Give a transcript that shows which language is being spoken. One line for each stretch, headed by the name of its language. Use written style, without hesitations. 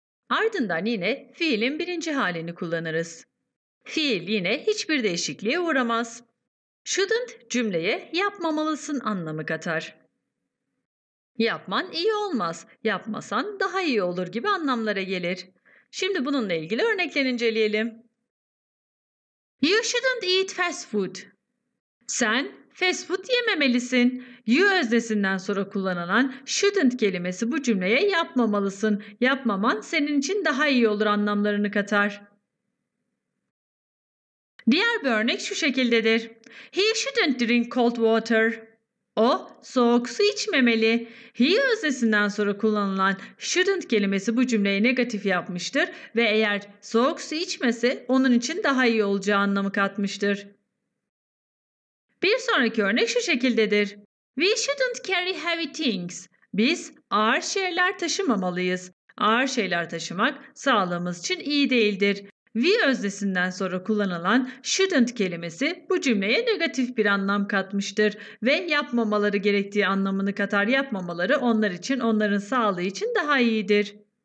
Turkish: Ardından yine fiilin birinci halini kullanırız. Fiil yine hiçbir değişikliğe uğramaz. Shouldn't cümleye yapmamalısın anlamı katar. Yapman iyi olmaz, yapmasan daha iyi olur gibi anlamlara gelir. Şimdi bununla ilgili örnekleri inceleyelim.
English: You shouldn't eat fast food.
Turkish: Sen fast food yememelisin. You öznesinden sonra kullanılan shouldn't kelimesi bu cümleye yapmamalısın. Yapmaman senin için daha iyi olur anlamlarını katar. Diğer bir örnek şu şekildedir.
English: He shouldn't drink cold water.
Turkish: O soğuk su içmemeli. He öznesinden sonra kullanılan shouldn't kelimesi bu cümleyi negatif yapmıştır ve eğer soğuk su içmese onun için daha iyi olacağı anlamı katmıştır. Bir sonraki örnek şu şekildedir.
English: We shouldn't carry heavy things.
Turkish: Biz ağır şeyler taşımamalıyız. Ağır şeyler taşımak sağlığımız için iyi değildir. We öznesinden sonra kullanılan shouldn't kelimesi bu cümleye negatif bir anlam katmıştır ve yapmamaları gerektiği anlamını katar. Yapmamaları onlar için, onların sağlığı için daha iyidir.